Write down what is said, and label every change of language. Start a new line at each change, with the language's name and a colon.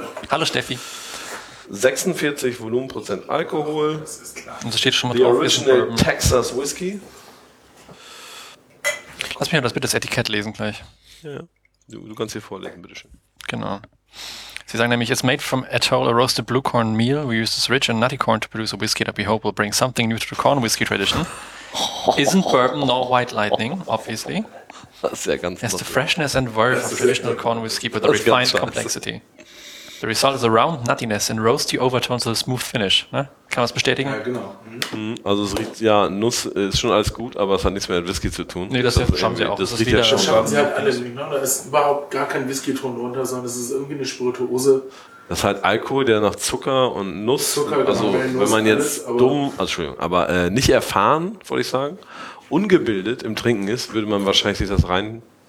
German: Hallo Steffi. 46 Volumenprozent Alcohol. Das ist klar. Und das steht schon mal drauf.
English: The original Texas Whiskey.
German: Lass mich mal das bitte das Etikett lesen gleich. Ja. Du kannst hier vorlesen, bitteschön. Genau. Sie sagen nämlich,
English: it's made from Atoll, a roasted blue corn meal. We use this rich and nutty corn to produce a whiskey that we hope will bring something new to the corn whiskey tradition. Isn't bourbon nor white lightning, obviously.
German: Das ist ja ganz
English: lustig. It's the freshness and verve of traditional corn whiskey with a refined complexity. The result is a round nuttiness and roasty overtones with a smooth finish.
German: Ne? Kann man das bestätigen? Ja, genau. Mhm. Also es riecht, ja, Nuss ist schon alles gut, aber es hat nichts mehr mit Whisky zu tun. Nee, das schauen sie auch. Das riecht ja schon. Sie halt alles, ne? Da ist überhaupt gar kein Whisky-Ton drunter, sondern es ist irgendwie eine Spirituose. Das ist halt Alkohol, der nach Zucker und Nuss, also wenn man jetzt dumm, Entschuldigung, aber nicht erfahren, wollte ich sagen, ungebildet im Trinken ist, würde man wahrscheinlich sich das rein...